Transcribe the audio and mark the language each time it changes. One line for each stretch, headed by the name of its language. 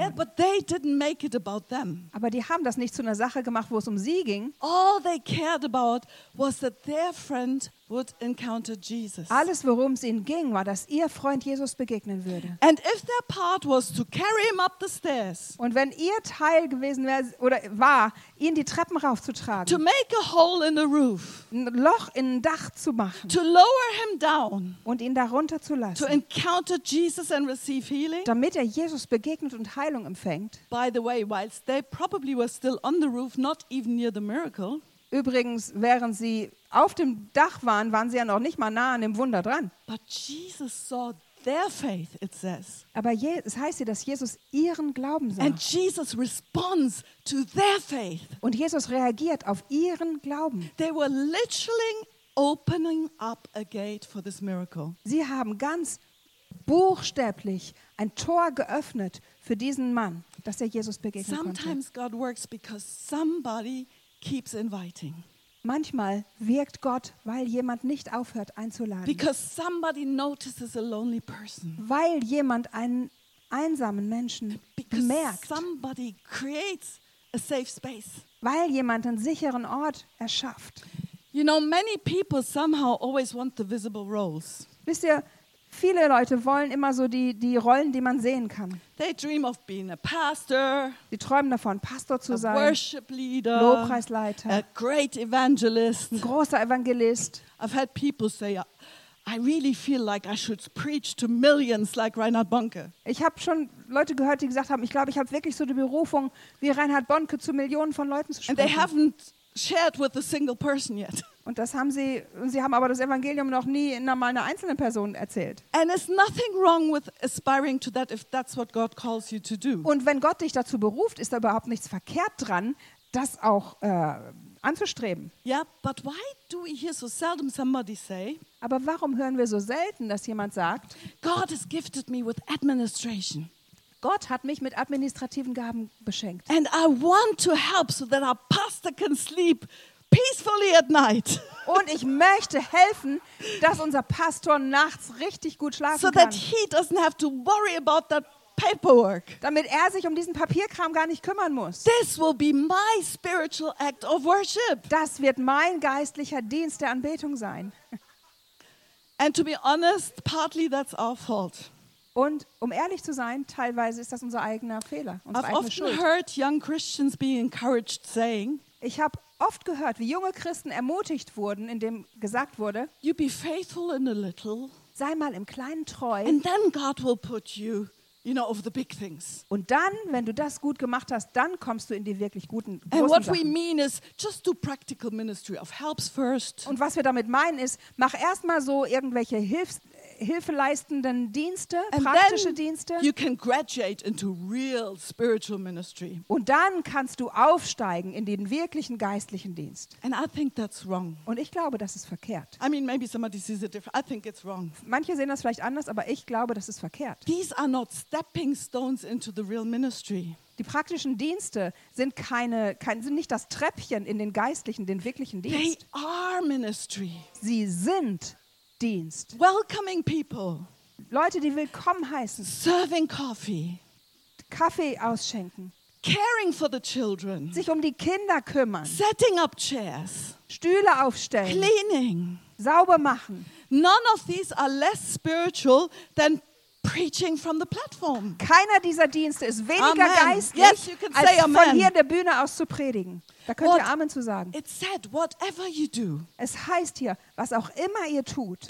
English: Yeah, but they didn't make it about them.
German: Aber die haben das nicht zu einer Sache gemacht, wo es um sie ging.
English: All they cared about was that their friend would encounter Jesus.
German: Alles, worum es ihnen ging, war, dass ihr Freund Jesus begegnen würde.
English: And if their part was to carry him up the stairs.
German: Und wenn ihr Teil gewesen wäre oder war, ihn die Treppen raufzutragen.
English: To make a hole in the roof.
German: Ein Loch in ein Dach zu machen.
English: To lower him down.
German: Und ihn darunter zu lassen.
English: To encounter Jesus and receive healing.
German: Damit er Jesus begegnet und Heilung empfängt.
English: By the way, whilst they probably were still on the roof, not even near the miracle.
German: Übrigens, während sie auf dem Dach waren, waren sie ja noch nicht mal nah an dem Wunder dran.
English: But Jesus saw their faith, it says.
German: Aber es heißt hier, dass Jesus ihren Glauben sah.
English: And Jesus responds to their faith.
German: Und Jesus reagiert auf ihren Glauben.
English: They were literally opening up a gate for this miracle.
German: Sie haben ganz buchstäblich ein Tor geöffnet für diesen Mann, dass er Jesus begegnen konnte.
English: Sometimes God works because somebody keeps inviting.
German: Manchmal wirkt Gott, weil jemand nicht aufhört einzuladen.
English: Because somebody notices a lonely person.
German: Weil jemand einen einsamen Menschen bemerkt.
English: Somebody creates a safe space.
German: Weil jemand einen sicheren Ort erschafft.
English: You know, many people somehow always want the visible roles.
German: Wisst ihr, Viele Leute wollen immer so die Rollen, die man sehen kann.
English: They dream of being a pastor.
German: Sie träumen davon, Pastor zu sein.
English: A worship leader.
German: Lobpreisleiter.
English: A great evangelist.
German: Ein großer Evangelist.
English: I've had people say, I really feel like I should preach to millions like Reinhard Bonnke.
German: Ich habe schon Leute gehört, die gesagt haben, ich glaube, ich habe wirklich so die Berufung, wie Reinhard Bonnke zu Millionen von Leuten zu sprechen.
English: And they haven't shared with a single person yet.
German: Und das haben sie, und sie haben aber das Evangelium noch nie mal einer einzelnen Person erzählt.
English: And there's nothing wrong with aspiring to that if that's what God calls you to do.
German: Und wenn Gott dich dazu beruft, ist da überhaupt nichts verkehrt dran, das auch anzustreben.
English: Yeah, but why do we hear so seldom somebody say?
German: Aber warum hören wir so selten, dass jemand sagt,
English: God has gifted me with administration.
German: Gott hat mich mit administrativen Gaben beschenkt.
English: And I want to help so that our pastor can sleep peacefully at night.
German: Und ich möchte helfen, dass unser Pastor nachts richtig gut schlafen kann.
English: So that he doesn't have to worry about that paperwork.
German: Damit er sich um diesen Papierkram gar nicht kümmern muss.
English: This will be my spiritual act of worship.
German: Das wird mein geistlicher Dienst der Anbetung sein.
English: And to be honest, partly that's our fault.
German: Und um ehrlich zu sein, teilweise ist das unser eigener Fehler, unsere eigene Schuld.
English: I've often heard young Christians being encouraged saying,
German: ich habe oft gehört, wie junge Christen ermutigt wurden, indem gesagt wurde,
English: you be faithful in a little,
German: sei mal im Kleinen treu,
English: and then God will put you, you know, over the big things.
German: Und dann, wenn du das gut gemacht hast, dann kommst du in die wirklich guten, großen Sachen.
English: And what we mean is, just do practical ministry of helps first.
German: Und was wir damit meinen ist, mach erst mal so irgendwelche hilfeleistenden Dienste,
English: and
German: praktische Dienste.
English: You can graduate into real spiritual ministry.
German: Und dann kannst du aufsteigen in den wirklichen geistlichen Dienst.
English: And I think that's wrong.
German: Und ich glaube, das ist verkehrt.
English: I mean, maybe somebody sees it different. I think it's wrong.
German: Manche sehen das vielleicht anders, aber ich glaube, das ist verkehrt.
English: These are not stepping stones into the real ministry.
German: Die praktischen Dienste sind sind nicht das Treppchen in den geistlichen, den wirklichen Dienst.
English: They are ministry.
German: Sie sind Dienst.
English: Welcoming people.
German: Leute, die willkommen heißen.
English: Serving coffee.
German: Kaffee ausschenken.
English: Caring for the children.
German: Sich um die Kinder kümmern.
English: Setting up chairs.
German: Stühle aufstellen.
English: Cleaning.
German: Sauber machen.
English: None of these are less spiritual than preaching from the platform.
German: Keiner dieser Dienste ist weniger
English: amen.
German: Geistlich,
English: yes, you can
German: als
English: say amen.
German: Von hier in der Bühne aus zu predigen. Da könnt ihr Amen zu sagen.
English: It said, whatever you do,
German: es heißt hier, was auch immer ihr tut,